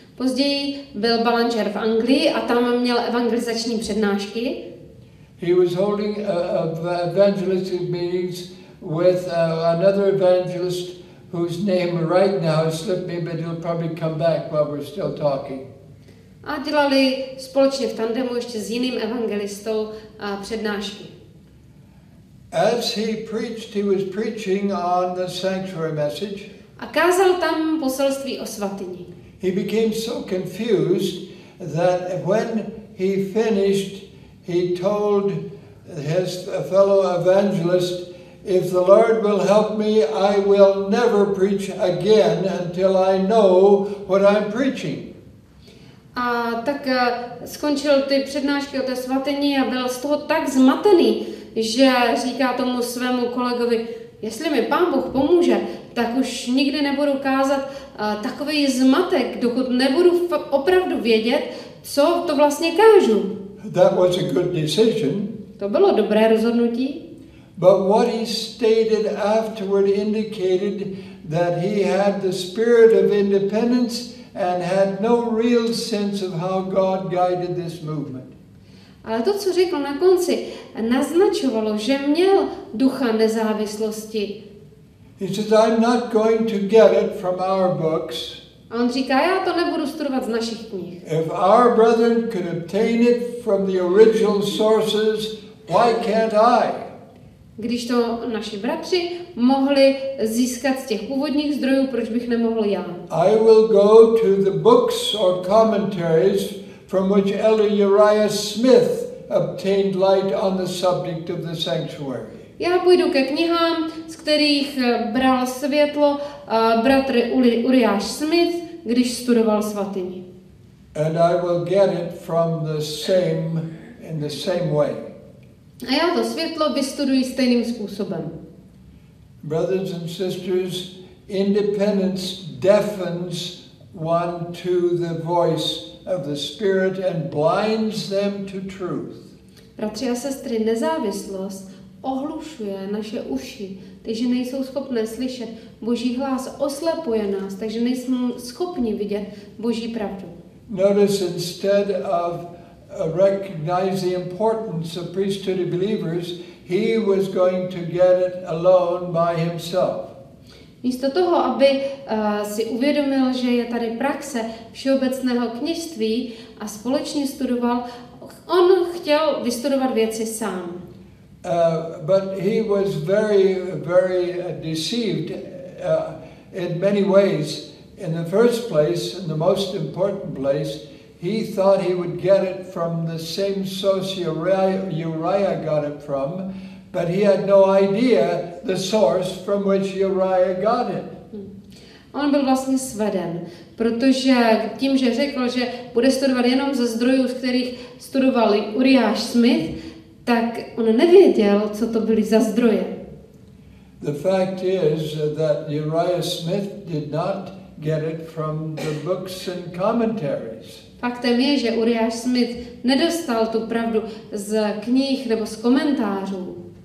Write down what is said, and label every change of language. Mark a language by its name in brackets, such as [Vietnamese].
[Czech] Později byl Ballinger v Anglii a tam měl evangelizační přednášky. [English] He was holding evangelistic meetings with another evangelist whose name right now slipped me, but he'll probably come back while we're still talking. [Czech] A dělali společně v tandemu ještě s jiným evangelistou a přednášky. [English] As he preached, he was preaching on the sanctuary message. [Czech] A kázal tam poselství o svatyni. [English] He became so confused that when he finished, he told his fellow evangelist, if the Lord will help me, I will never preach again until I know what I'm preaching. [Czech] A tak skončil ty přednášky o té svatyni a byl z toho tak zmatený, že říká tomu svému kolegovi, jestli mi Pán Bůh pomůže, tak už nikdy nebudu kázat takový zmatek, dokud nebudu opravdu vědět, co to vlastně kážu. [English] That was a good decision. [Czech] To bylo dobré rozhodnutí. [English] But what he stated afterward indicated that he had the spirit of independence and had no real sense of how God guided this movement. [Czech] Ale to, co řekl na konci, naznačovalo, že měl ducha nezávislosti. [English] He says, I'm not going to get it from our books. [Czech] A on říká, já to nebudu studovat z našich knih. [English] If our brethren could obtain it from the original sources, why can't I? [Czech] Když to naši bratři mohli získat z těch původních zdrojů, proč bych nemohl já? [English] I will go to the books or commentaries from which Elder Uriah Smith obtained light on the subject of the sanctuary. [Czech] Já půjdu ke knihám, z kterých bral světlo bratr Uriáš Smith, když studoval svatyni. [English] And I will get it from the same way. [Czech] A já to světlo vystuduji stejným způsobem. [English] Brothers and sisters, independence deafens one to the voice of the Spirit and blinds them to truth. [Czech] Bratři a sestry, nezávislost ohlušuje naše uši, takže nejsou schopné slyšet Boží hlas, oslepuje nás, takže nejsme schopni vidět Boží pravdu. [English] Notice instead of recognize the importance of priesthood of believers, he was going to get it alone by himself. [Czech] Místo toho, aby si uvědomil, že je tady praxe všeobecného kněžství a společně studoval, on chtěl vystudovat věci sám. [English] But he was very, very deceived in many ways. In the first place, in the most important place, he thought he would get it from the same source Uriah got it from, but he had no idea the source from which Uriah got it. [Czech] On byl vlastně sveden, protože tím, že řekl, že bude studovat jenom ze zdrojů, z kterých studoval Uriáš Smith, tak on nevěděl, co to byly za zdroje. [English] The fact is that Uriah Smith did not get it from the books and commentaries. [Czech] Faktem je, že Uriáš Smith nedostal tu pravdu z knih nebo z komentářů.